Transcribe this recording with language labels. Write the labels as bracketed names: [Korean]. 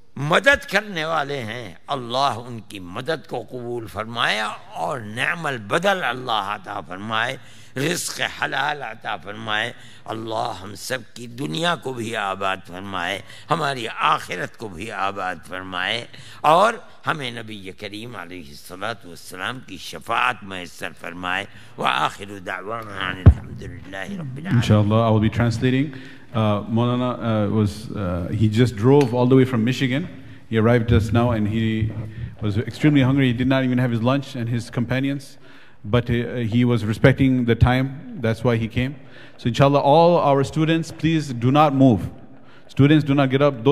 [Urdu] مدد کرنے والے ہیں اللہ ان کی مدد کو قبول فرمائے، اور نعم البدل اللہ عطا فرمائے، رزق حلال عطا فرمائے. اللہ ہم سب کی دنیا کو بھی آباد فرمائے، ہماری آخرت کو بھی آباد فرمائے، اور ہمیں نبی کریم علیہ الصلاۃ والسلام کی شفاعت میسر فرمائے. [Arabic] وآخر دعوانا ان الحمد للہ رب العالمين. [English] انشاءاللہ I will be translating. Mawlana he just drove all the way from Michigan. He arrived just now and he was extremely hungry. He did not even have his lunch and his companions. But he was respecting the time, that's why he came. So inshallah, all our students, please do not move. Students, do not get up.